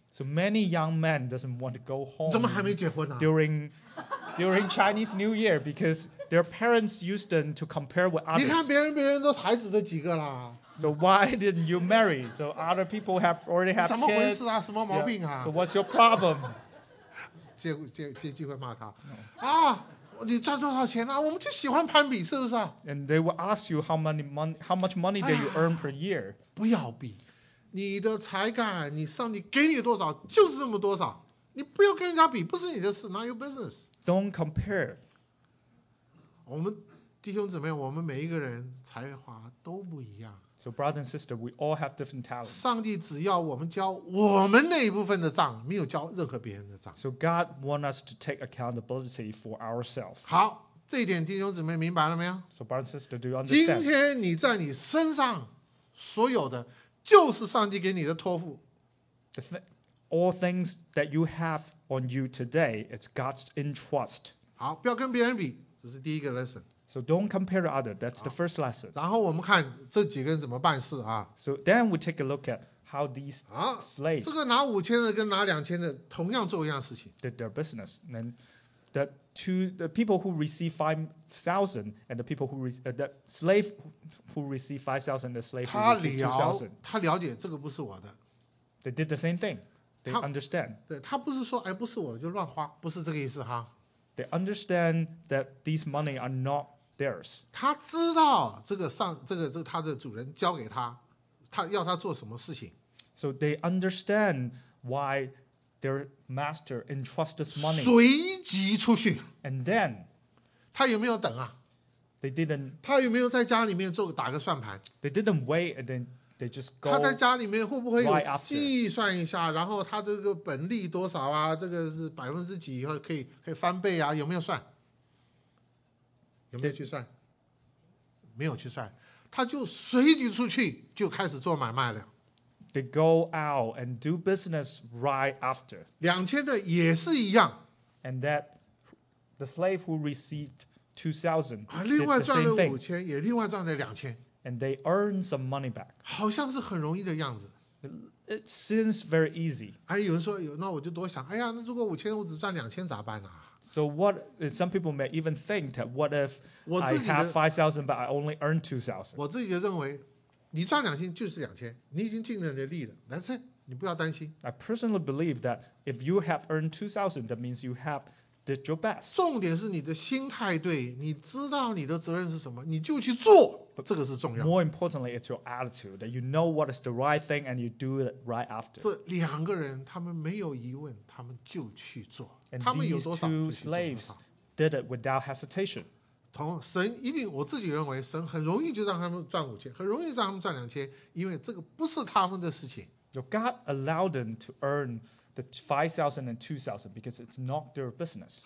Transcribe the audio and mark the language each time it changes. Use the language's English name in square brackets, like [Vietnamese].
[English] So many young men doesn't want to go home. [Chinese] 怎么还没结婚呢？ [English] During Chinese New Year, because their parents used them to compare with others. [Chinese] 你看别人都孩子这几个啦。 [English] So why didn't you marry? So other people have already have kids. [Chinese] 怎么回事啊？什么毛病啊？ [English] Yeah. So what's your problem? [Chinese] 借机会骂他。啊，你赚多少钱啊？我们就喜欢攀比，是不是啊？ [English] And they will ask you how much money do you earn per year. [Chinese] 不要比，你的才干，你上帝给你多少，就是这么多少。你不要跟人家比，不是你的事 ， [English] not your business. Don't compare. [Chinese] 我们弟兄姊妹，我们每一个人才华都不一样。 [English] So brother and sister, we all have different talents. [Chinese] 上帝只要我们交我们那一部分的账，没有交任何别人的账。 [English] So God wants us to take accountability for ourselves. [Chinese] 好，这一点弟兄姊妹明白了没有 [English] ？So brother and sister, do you understand? [Chinese] 今天你在你身上所有的，就是上帝给你的托付。 [English] All things that you have on you today, it's God's entrust. [Chinese] 好，不要跟别人比，这是第一个 lesson。 [English] So don't compare to others. That's the first lesson. [Chinese] 然后我们看这几个人怎么办事啊。 [English] So then we take a look at how these slaves. [Chinese] 这个拿五千的跟拿两千的同样做一样事情。 [English] Did their business. Then the people who receive 5,000 and the people who the slave who receive 5,000 the slave who receive 2,000. [Chinese] 他了解这个不是我的。 [English] They did the same thing. They understand. [Chinese] 对，他不是说哎不是我的就乱花，不是这个意思哈。 [English] They understand that these money are not theirs. [Chinese] 他知道这个上这个这个、他的主人交给他，他要他做什么事情。 [English] So they understand why their master entrusted money. [Chinese] 随即出去。 [English] And then, [Chinese] 他有没有等啊？ [English] They didn't, [Chinese] 他有没有在家里面做打个算盘 [English] ？They didn't wait and then they just go. [Chinese] 他在家里面会不会有计算一下？然后他这个本利多少啊？这个是百分之几以后可以翻倍啊？有没有算？有没有去算？没有去算，他就随即出去就开始做买卖了。 [English] They go out and do business right after. [Chinese] 两千的也是一样。 [English] And that the slave who received2,000 [Chinese] 啊，另外赚了五千，也另外赚了两千。 [English] And they earn some money back. [Chinese] 好像是很容易的样子。 [English] It seems very easy. [Chinese] 哎，有人说，那我就多想，哎呀，那如果五千我只赚两千咋办啊？ [English] So what? Some people may even think that what if I have 5,000 but I only earn 2,000? [Chinese] 我自己就认为，你赚两千就是两千，你已经尽了你的力了，但是你不要担心。 [English] I personally believe that if you have earned 2,000, that means you have did your best. [Chinese] 重点是你的心态对，你知道你的责任是什么，你就去做。这个是重要。 [English] More importantly, it's your attitude that you know what is the right thing and you do it right after. [Chinese] 这两个人他们没有疑问，他们就去做。 [English] And these two slaves did it without hesitation. [Chinese] 同神一定，我自己认为神很容易就让他们赚五千，很容易让他们赚两千，因为这个不是他们的事情。 [English] So God allowed them to earn the 5,000 and 2,000 because it's not their business.